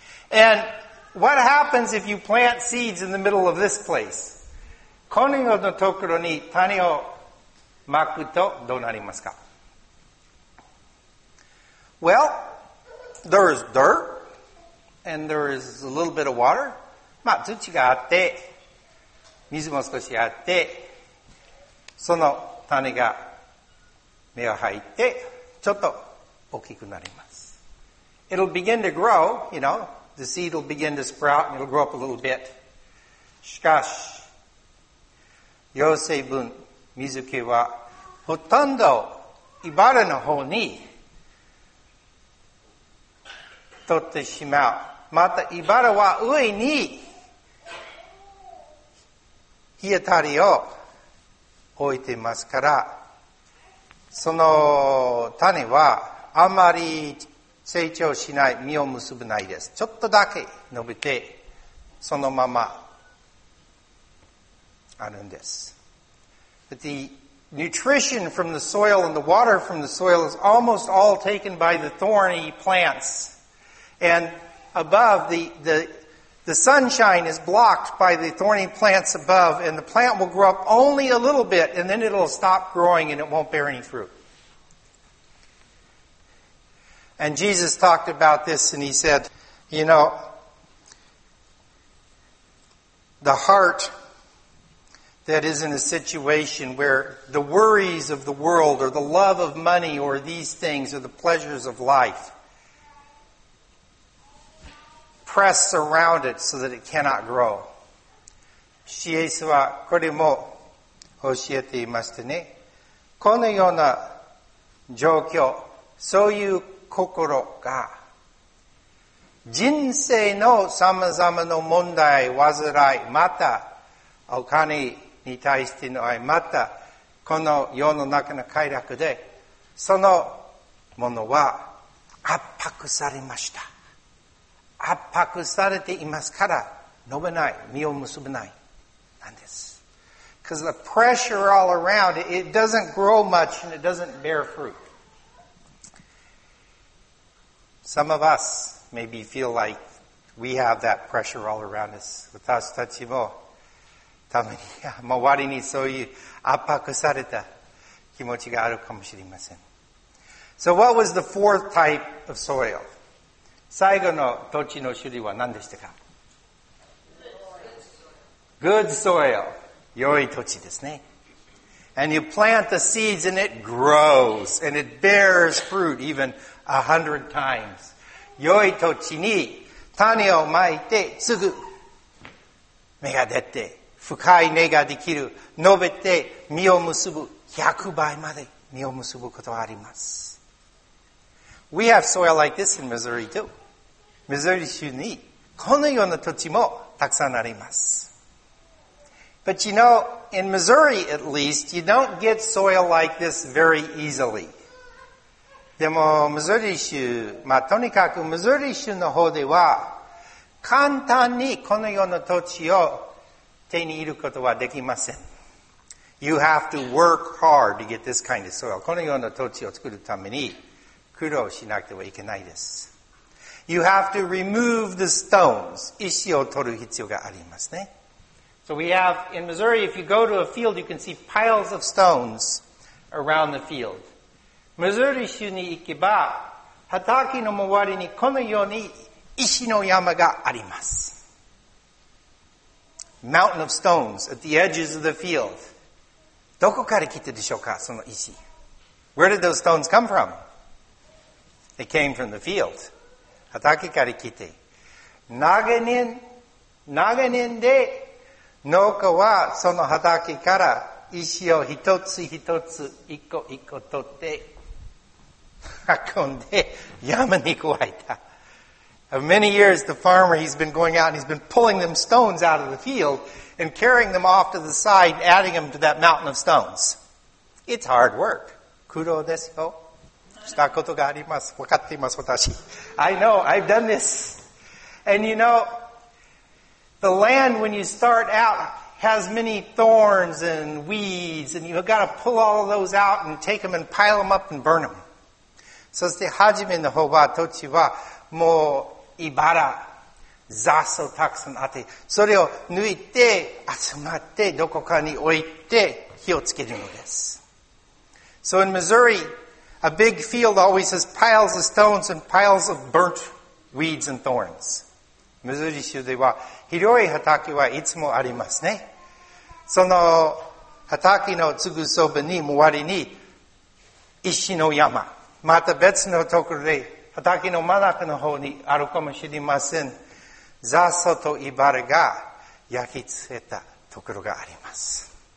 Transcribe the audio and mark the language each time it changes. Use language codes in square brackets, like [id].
[en] And what happens if you plant seeds in the middle of this place? [ja] このようなところに種をまくとどうなりますか? [en] Well, there is dirt and there is a little bit of water. [ja] まあ、土があって、水も少しあって、その種が芽を吐いて、ちょっと大きくなります。 [en] It'll begin to grow, you know, the seed will begin to sprout and it'll grow up a little bit. [ja] しかし、養成分、水気はほとんど茨の方に取ってしまう。また茨は上に日当たりを置いてますから、その種はあまり成長しない、実を結ぶないです。ちょっとだけ伸びてそのままあるんです。 [en] But the nutrition from the soil and the water from the soil is almost all taken by the thorny plants. And above, the sunshine is blocked by the thorny plants above, and the plant will grow up only a little bit, and then it'll stop growing and it won't bear any fruit. And Jesus talked about this, and he said, you know, the heart that is in a situation where the worries of the world or the love of money or these things or the pleasures of life press around it so that it cannot grow. [ja] イエスはこれも教えていましたね。このような状況、そういう心が人生のさまざまな問題、患い、またお金に対しての愛、またこの世の中の快楽で、そのものは圧迫されました。圧迫されていますから、伸びない、実を結ぶないなんです。 [en] Because the pressure all around, it doesn't grow much and it doesn't bear fruit. Some of us maybe feel like we have that pressure all around us. [ja] 私たちもたまに周りにそういう圧迫された気持ちがあるかもしれません。 [en] So what was the fourth type of soil? [ja] 最後の土地の種類は何でしたか? [en] Good soil. [ja] 良い土地ですね。 [en] And you plant the seeds and it grows and it bears fruit even 100 times. [ja] 良い土地に種をまいてすぐ芽が出て深い根ができる、述べて実を結ぶ、100倍まで実を結ぶことがあります。 [en] We have soil like this in Missouri too. [ja] Missouri 州にこのような土地もたくさんあります。 [en] But you know, in Missouri at least, you don't get soil like this very easily. [ja] でも、Missouri 州、まあ、とにかく Missouri 州の方では、簡単にこのような土地を手に入ることはできません。 [en] You have to work hard to get this kind of soil. [ja] このような土地を作るために苦労しなくてはいけないです。 [en] You have to remove the stones. [ja] 石を取る必要がありますね。 [en] So we have, in Missouri, if you go to a field, you can see piles of stones around the field. [ja] Missouri 州に行けば、畑の周りにこのように石の山があります。 [en] Mountain of stones at the edges of the field. [ja] どこから来てでしょうか、その石。 [en] Where did those stones come from? They came from the field. [ja] 畑から来て。長年で農家はその畑から石を一つ一つ一個一個取って運んで山に加えた。 [en] Of many years, the farmer, he's been going out and he's been pulling them stones out of the field and carrying them off to the side and adding them to that mountain of stones. It's hard work. [ja] 苦労ですよ。したことがあります。わかっています、私。 [en] I know, I've done this. And you know, the land when you start out has many thorns and weeds and you've got to pull all of those out and take them and pile them up and burn them. [ja] そして、はじめの方は、土地は、もう、茨、雑草たくさんあって、それを抜いて、集まって、どこかに置いて、火をつけるのです。 [en] So in Missouri, a big field always has piles of stones and piles of burnt weeds and thorns. [ja] Missouri 州では、広い畑はいつもありますね。その畑のすぐそばに、周りに、石の山、また別のところで、畑の真ん中の方にあるかもしれません。雑草と茨が焼き付けたところがあります。